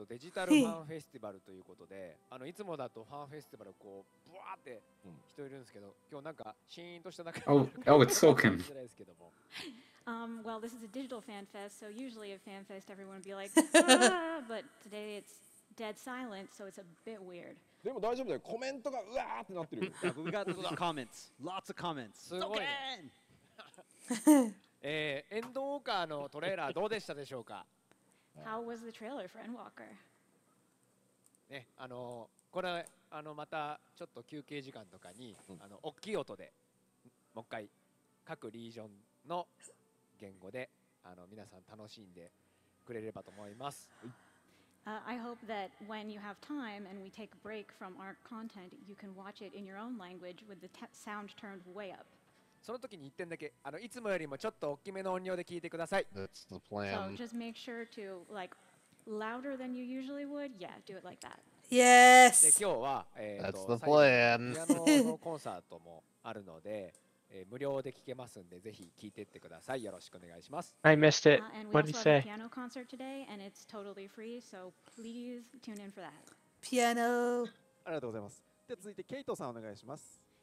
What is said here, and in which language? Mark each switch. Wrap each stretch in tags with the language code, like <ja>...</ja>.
<ja>デジタルファンフェスティバルということで、いつもだとファンフェスティバルこうブワーって人いるんですけど、今日なんかシーンとした中</ja> <en>で。Oh, it's soaking. Well, this is a digital fan fest, so usually at fan fest everyone would be like, but today it's dead silent, so it's a bit weird.</en> <ja>でも大丈夫だよ。コメントがうわーってなってる。</ja> <en>We got comments. Lots of comments.</en> <ja>すごい。エンドウォーカーのトレーラーどうでしたでしょうか。</ja> <en>How was the trailer for Endwalker?</en> <ja>これあのまたちょっと休憩時間とかに、うん、あの大きい音でもう一回各リージョンの言語であの皆さん楽しんでくれればと思います。</ja> <en>I hope that when you have time and we take a break from our content, you can watch it in your own language with the sound turned way up.</en> <ja>その時に1点だけ、あのいつもよりもちょっと大きめの音量で聞いてください。</ja> <en>That's the plan. So just make sure to like louder than you usually would. Yeah, do it like that. Yes.</en> <ja>で今日は、</ja> <en>That's the plan. 最後</en> <ja>のピアノのコンサートもあるので。無料で聞けますんでぜひ聞いてってください。よろしくお願いします。</ja> <en>I missed it. What did you say? Piano concert today, and it's totally free, so please tune in for that.</en> <ja>ピアノ。ありがとうございます。で続いてケイトさんお願いします。</ja>